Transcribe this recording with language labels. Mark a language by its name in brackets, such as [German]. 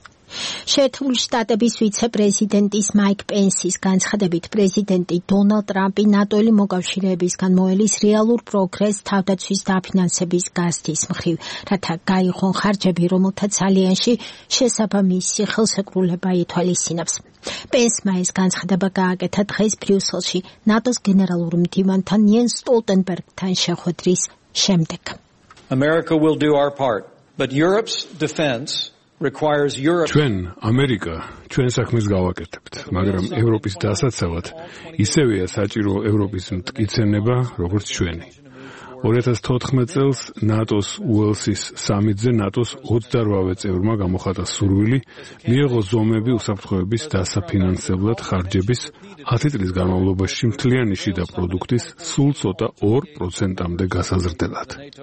[Georgian] შეერთებული შტატების ვიცე-პრეზიდენტის მაიკ პენსის განცხადებით პრეზიდენტი დონალდ ტრამპი ნატოელი მოკავშირეებისგან მოელის რეალურ პროგრესს თავდაცვის დაფინანსების გასდის მხრივ, რათა გაიღონ ხარჯები, რომელთაც ალიანსში შესაბამისი ხელშეკრულება ითვალისწინებს. პენსმა ეს განცხადება გააკეთა დღეს ბრიუსელში ნატოს გენერალურ მდივანთან იენს სტოლტენბერგთან შეხვედრის შემდეგ. [English] America will do our part, but Europe's defense requires Europe [Georgian] ჩვენ ამერიკა ჩვენ საქმეს გავაკეთებთ, მაგრამ ევროპის დასაცავად ისევეა საჭირო ევროპის მტკიცენება როგორც ჩვენი. 2014 წელს ნატოს უელსის სამიტზე ნატოს 28 წევრმა გამოხატა სურვილი მიეღო ზომები უსაფრთხოების დასაფინანსებლად ხარჯების 10 წლის განმავლობაში მთლიანი შიდა პროდუქტის სულ ცოტა 2%-ამდე გასაზრდელად.